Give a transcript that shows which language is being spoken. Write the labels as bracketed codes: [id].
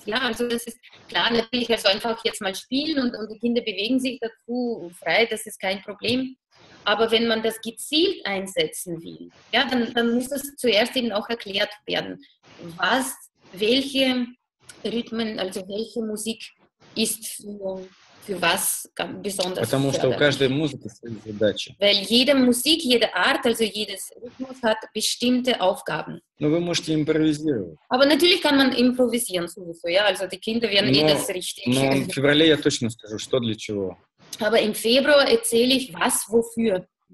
[de] Ja, also das ist klar, natürlich, also einfach jetzt mal spielen und die Kinder bewegen sich dazu frei, das ist kein Problem. Aber wenn man das gezielt einsetzen will, ja, dann muss das zuerst eben auch erklärt werden, was, welche Rhythmen, also welche Musik ist für was besonders. [ru] Потому что у каждой музыки свои задачи. [de] Weil jede Musik, jede Art, also jedes Rhythmus hat bestimmte Aufgaben. [ru] Но вы можете импровизировать. [de] Aber natürlich kann man improvisieren sowieso, ja, also die Kinder werden eh das richtig. [ru] Но в феврале я точно скажу, что для чего. [de] Aber im Februar erzähle ich, was wofür.